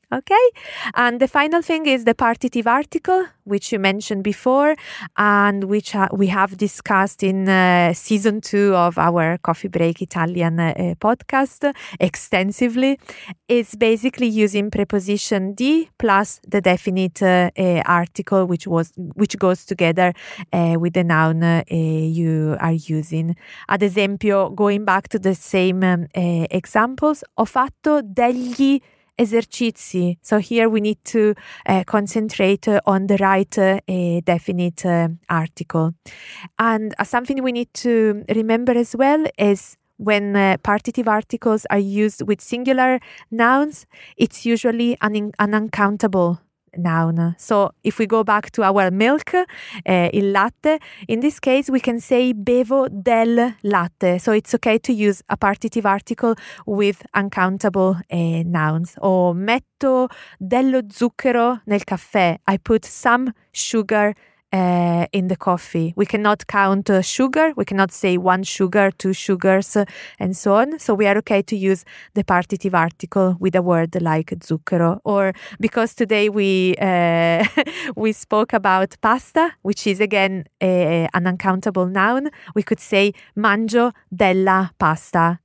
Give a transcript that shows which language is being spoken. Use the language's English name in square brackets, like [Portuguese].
[English] Okay, and the final thing is the partitive article, which you mentioned before, and which we have discussed in season 2 of our Coffee Break Italian podcast extensively. It's basically using preposition di plus the definite article, which goes together with the noun you are using. [Italian] Ad esempio, [English] going back to the same examples, [Italian] ho fatto degli esercizi. [English] So here we need to concentrate on the right definite article. And something we need to remember as well is when partitive articles are used with singular nouns, it's usually an uncountable noun. So if we go back to our milk, il latte, in this case we can say [Italian] bevo del latte. [English] So it's okay to use a partitive article with uncountable nouns. [Italian] O metto dello zucchero nel caffè. [English] I put some sugar in the coffee. We cannot count sugar. We cannot say one sugar, two sugars, and so on. So we are okay to use the partitive article with a word like zucchero. Or because today we spoke about pasta, which is again an uncountable noun, we could say [Italian] mangio della pasta.